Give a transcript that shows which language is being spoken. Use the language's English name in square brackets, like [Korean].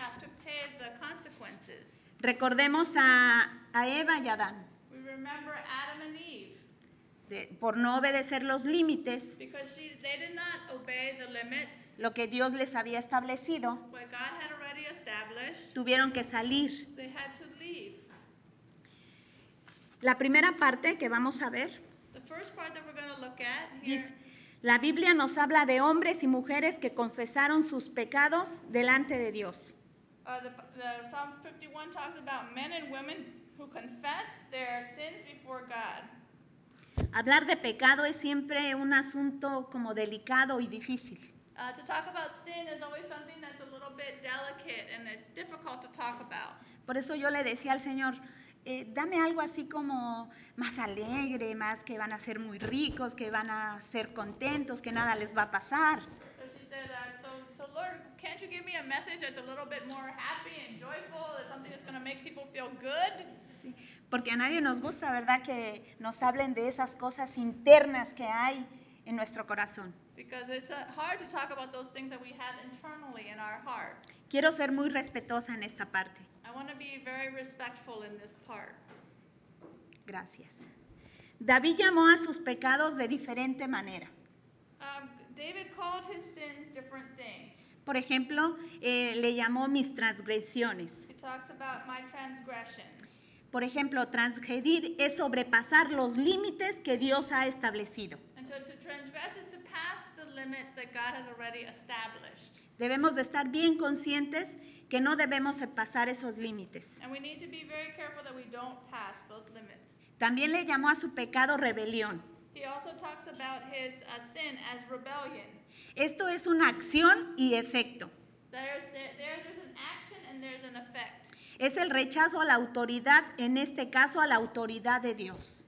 [English] Have to pay the consequences. [Spanish] Recordemos a Eva y Adán. [English] We remember Adam and Eve. [Spanish] Por no obedecer los límites, [English] because they did not obey the limits, [Spanish] lo que Dios les había establecido, [English] what God had already established, [Spanish] tuvieron que salir. [English] They had to leave. [Spanish] La primera parte que vamos a ver, [English] the first part that we're going to look at here, [Spanish] dice, la Biblia nos habla de hombres y mujeres que confesaron sus pecados delante de Dios. [English] The Psalm 51 talks about men and women who confess their sins before God. [Spanish] Hablar de pecado es siempre un asunto como delicado y difícil. [English] To talk about sin is always something that's a little bit delicate and it's difficult to talk about. [Spanish] Por eso yo le decía al Señor, dame algo así como más alegre, más que van a ser muy ricos, que van a ser contentos, que nada les va a pasar. [English] So she said, so Lord, can't you give me a message that's a little bit more happy and joyful, that's something that's going to make people feel good? [Spanish] Porque a nadie nos gusta, ¿verdad?, que nos hablen de esas cosas internas que hay en nuestro corazón. [English] Because it's hard to talk about those things that we have internally in our heart. [Spanish] Quiero ser muy respetuosa en esta parte. [English] I want to be very respectful in this part. [Spanish] Gracias. David llamó a sus pecados de diferente manera. [English] David called his sins different things. [Spanish] Por ejemplo, le llamó mis transgresiones. [English] He talks about my transgressions. [Spanish] Por ejemplo, transgredir es sobrepasar los límites que Dios ha establecido. [English] And so to transgress is to pass the limits that God has already established. [Spanish] Debemos de estar bien conscientes que no debemos pasar esos límites. [English] And we need to be very careful that we don't pass those limits. [Spanish] También le llamó a su pecado rebelión. [English] He also talks about his sin as rebellion. [Spanish] Esto es una acción y efecto. [English] There's an action and there's an effect. [Spanish] Es el rechazo a la autoridad, en este caso a la autoridad de Dios.